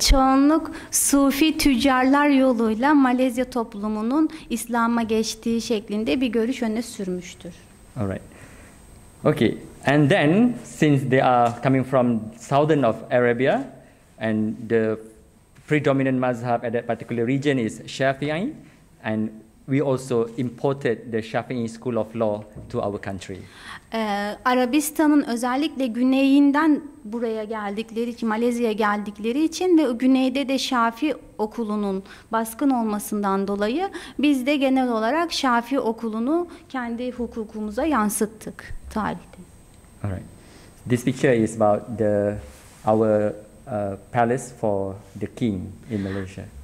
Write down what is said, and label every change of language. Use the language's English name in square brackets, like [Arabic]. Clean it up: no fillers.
[Turkish] Çoğunluk Sufi tüccarlar yoluyla Malezya toplumunun İslam'a geçtiği şeklinde bir görüş öne sürmüştür. [English] All right. Okay. And then, since they are coming from southern of Arabia, and the predominant mazhab at that particular region is Shafi'i, and we also imported the Shafi'i school of law to our country. [Turkish] Arabistan'ın özellikle güneyinden buraya geldikleri için, Malezya'ya geldikleri için ve güneyde de Şafi okulunun baskın olmasından dolayı biz de genel olarak Şafi okulunu kendi hukukumuza yansıttık tarihte. [English] All right. This picture is about our palace for the king in Malaysia.